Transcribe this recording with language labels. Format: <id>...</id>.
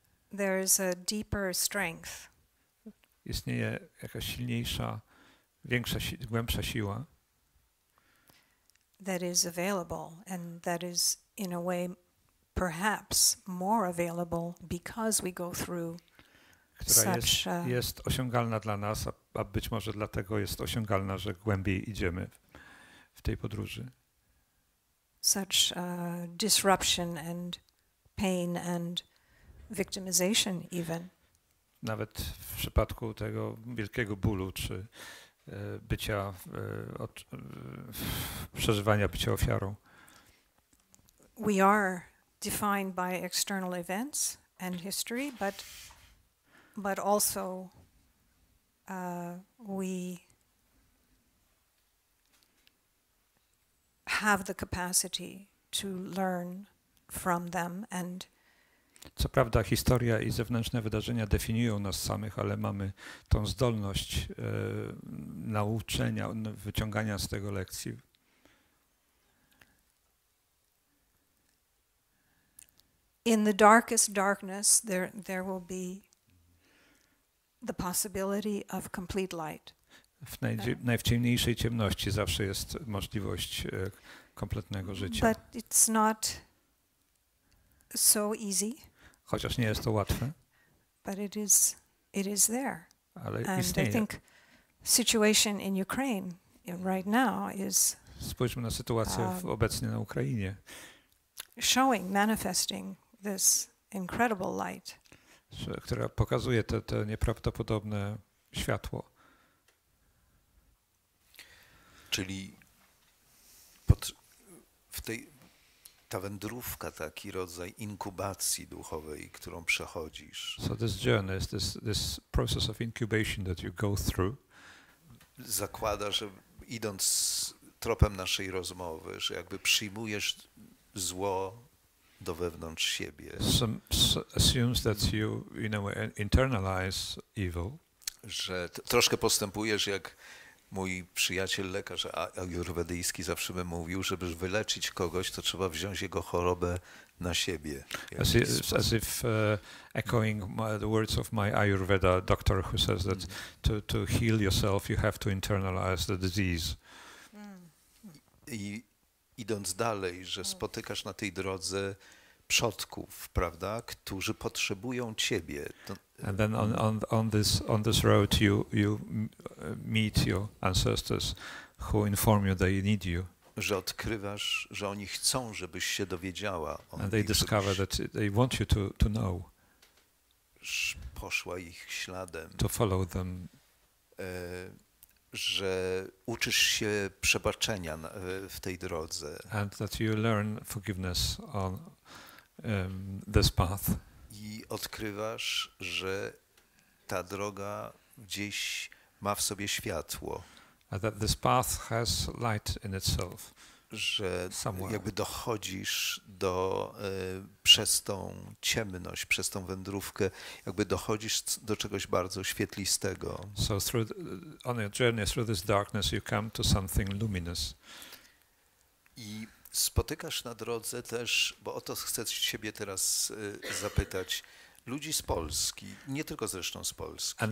<en>There is a deeper strength.</en> <pl>Istnieje jakaś silniejsza, większa, głębsza siła.</pl> <en>That is available, and that is in a way perhaps more available because we go through</en> <pl>która jest osiągalna dla nas, a być może dlatego jest osiągalna, że głębiej idziemy w tej podróży.</pl> <en>Such disruption and pain and victimization even.</en> <pl>Nawet w przypadku tego wielkiego bólu, czy bycia, przeżywania bycia ofiarą.</pl> <en>We are defined by external events and history, but also we have the capacity to learn from them and</en> <pl>co prawda historia i zewnętrzne wydarzenia definiują nas samych, ale mamy tą zdolność nauczenia, wyciągania z tego lekcji.</pl> <en>In the darkest darkness there will be the possibility of complete light.</en> <pl>W najciemniejszej ciemności zawsze jest możliwość kompletnego życia.</pl> <en>But it's not so easy.</en> <pl>Chociaż nie jest to łatwe.</pl> <en>But it is there.</en> <pl>Ale</pl> <en>and</en> <pl>istnieje.</pl> <en>I think situation in Ukraine right now is</en> <pl>spójrzmy na sytuację obecnie na Ukrainie.</pl> <en>Showing, manifesting this incredible light.</en> <pl>Która pokazuje to nieprawdopodobne światło. Czyli ta wędrówka, taki rodzaj inkubacji duchowej, którą przechodzisz.</pl> <en>So this journey, this process of incubation that you go through.</en> <pl>Zakłada, że idąc tropem naszej rozmowy, że jakby przyjmujesz zło do wewnątrz siebie.</pl> <en>Assumes that you, in a way, internalize evil.</en> <pl>Że troszkę postępujesz jak mój przyjaciel lekarz ajurwedyjski zawsze by mówił, żeby wyleczyć kogoś, to trzeba wziąć jego chorobę na siebie.</pl> <en>As if echoing the words of my Ayurveda doctor, who says that to heal yourself, you have to internalize the disease.</en> <pl>Idąc dalej, że spotykasz na tej drodze przodków, prawda, którzy potrzebują ciebie.</pl> <en>And then on this road you meet your ancestors who inform you they need you.</en> <pl>Że odkrywasz, że oni chcą, żebyś się dowiedziała.</pl> <en>And they discover that they want you to know.</en> <pl>Poszła ich śladem.</pl> <en>To follow them.</en> <pl>Że uczysz się przebaczenia w tej drodze.</pl> <en>And that you learn forgiveness on this path.</en> <pl>I odkrywasz, że ta droga gdzieś ma w sobie światło.</pl> <en>And that this path has light in itself.</en> <pl>Że</pl> <en>somewhere.</en> <pl>Jakby dochodzisz do przez tą ciemność, przez tą wędrówkę, jakby dochodzisz do czegoś bardzo świetlistego.</pl> <en>So through on your journey through this darkness you come to something luminous.</en> <pl>I spotykasz na drodze też, bo o to chcę ciebie teraz zapytać, ludzi z Polski, nie tylko zresztą z Polski.</pl>